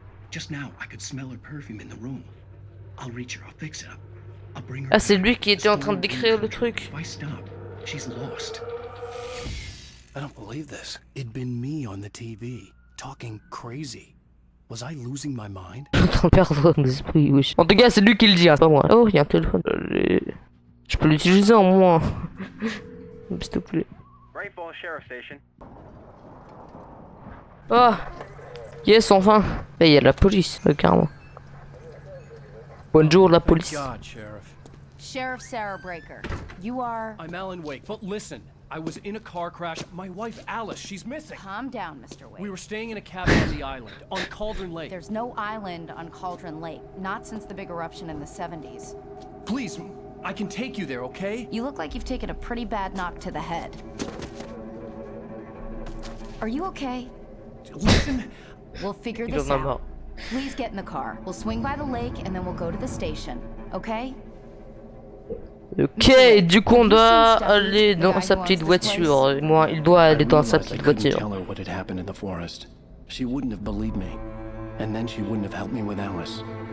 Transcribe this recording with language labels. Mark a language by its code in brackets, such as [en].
[en] Just now I could smell her perfume in the room. I'll reach her, I'll fix it up. I'll bring her. [fr] Ah, c'est lui qui était en train de décrire le truc. [en] She's lost. I don't believe this. It'd been me on the TV talking crazy. Was I losing my mind? [fr] En tout cas, c'est lui qui le dit, hein, c'est pas moi. Oh, il y a un téléphone. Je peux l'utiliser en moins. S'il te plaît. [en] Bright Ball Sheriff Station. [fr] Oh. Yes, enfin. Mais il y a la police, carrément. Bonjour la police. God, [en] Sheriff. Sheriff Sarah Breaker. You are I'm Alan Wake. But listen, I was in a car crash. My wife Alice, she's missing. Calm down, Mr. Wake. We were staying in a cabin on the island on Cauldron Lake. There's no island on Cauldron Lake, not since the big eruption in the 70s. Please, I can take you there, okay? You look like you've taken a pretty bad knock to the head. Are you okay? Listen, we'll figure this out. Please get in the car. We'll swing by the lake and then we'll go to the station. Okay? [fr] Okay, du coup on doit aller dans sa petite voiture. Moi, il doit aller dans sa petite voiture. [en] Tell her what had happened in the forest. She wouldn't have believed me. And then she wouldn't have helped me with Alice.